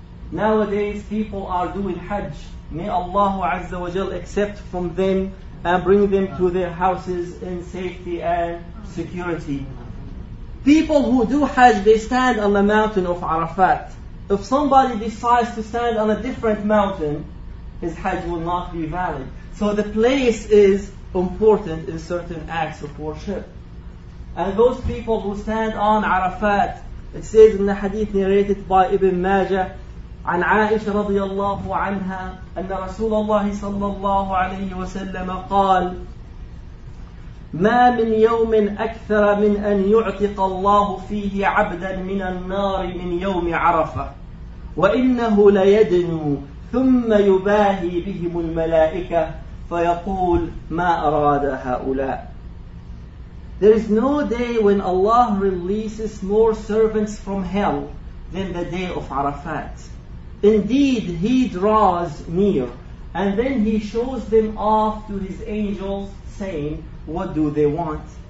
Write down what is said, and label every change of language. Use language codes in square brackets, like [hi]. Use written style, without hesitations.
[en] Nowadays, people are doing Hajj. May Allah Azza wa Jal accept from them and bring them to their houses in safety and security. People who do Hajj, they stand on the mountain of Arafat. If somebody decides to stand on a different mountain, his Hajj will not be valid. So the place is important in certain acts of worship. And those people who stand on Arafat, it says in the hadith narrated by Ibn Majah, [ar] عن عائشة رضي الله عنها أن رسول الله صلى الله عليه وسلم قال ما من يوم أكثر من أن يعتق الله فيه عبدا من النار من يوم عرفة وإنه ليدنو ثم يباهي بهم الملائكة فيقول ما أراد هؤلاء. [en] There is no day when Allah releases more servants from hell than the day of Arafat. Indeed, he draws near, and then he shows them off to his angels, saying, what do they want?